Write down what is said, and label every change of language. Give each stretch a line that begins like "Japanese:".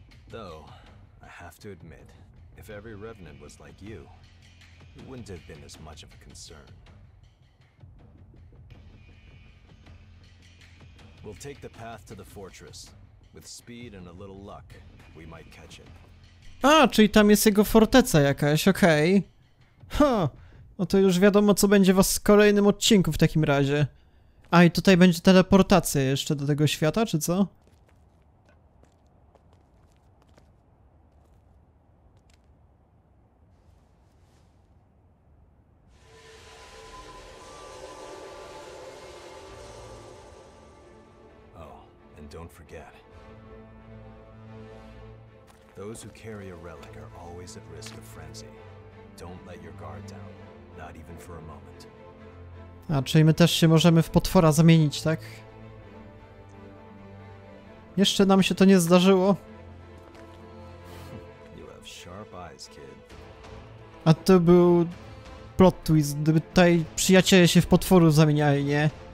English: Though, I have to admit, if every Revenant was like you, it wouldn't have been as much of a concern. We'll take the path to the fortress. With speed and a little luck, we might catch it.
Polish: A, czyli tam jest jego forteca jakaś, okej. Okay. No to już wiadomo, co będzie was w kolejnym odcinku w takim razie. A, i tutaj będzie teleportacja jeszcze do tego świata, czy co?
English: Oh, and don't forget. Those who carry a relic are always at risk of frenzy. Don't let your guard down. Not even for a moment.
Polish: A, czyli my też się możemy w potwora zamienić, tak? Jeszcze nam się to nie zdarzyło.
English: You have sharp eyes, kid.
Polish: A to był plot twist, gdyby tutaj przyjaciele się w potworu zamieniali, nie?